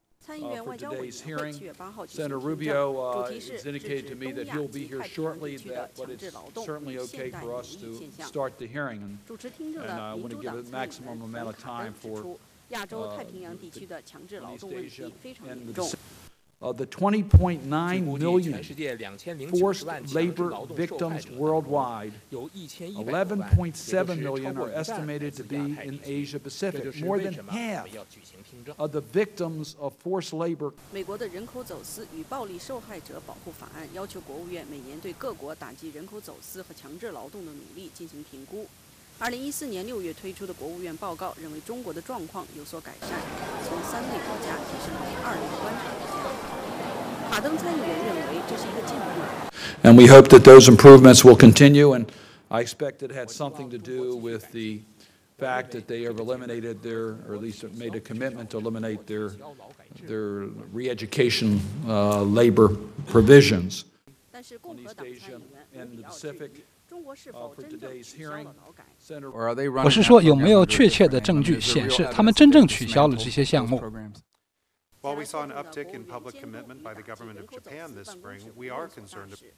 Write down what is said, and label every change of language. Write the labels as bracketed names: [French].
[Chinese] 参议员外交委员会7月8号举行，主题是支持东亚尽快停止的强制劳动与现代奴隶现象。主持听证的民主党参议员卡恩卡恩指出，亚洲太平洋地区的强制劳动问题非常严重。 [English] The 20.9 million forced labor victims worldwide, 11.7 million are estimated to be in Asia Pacific, more than half of the victims of forced labor. [Chinese] 美国的人口走私与暴力受害者保护法案要求国务院每年对各国打击人口走私和强制劳动的努力进行评估。 2014年6月推出的国务院报告认为中国的状况有所改善，从三类国家提升为二类观察国家。马登参议员认为这是一个进步。 [English] And we hope that those improvements will continue. And I expect it had something to do with the fact that they have eliminated their, or at least made a commitment to eliminate their re-education labor provisions. On East Asia and the Pacific, for today's hearing, [Chinese] 我是说有没有确切的证据显示他们真正取消了这些项目？ [English] While we saw an uptick in public commitment by the government of Japan this spring, we are concerned.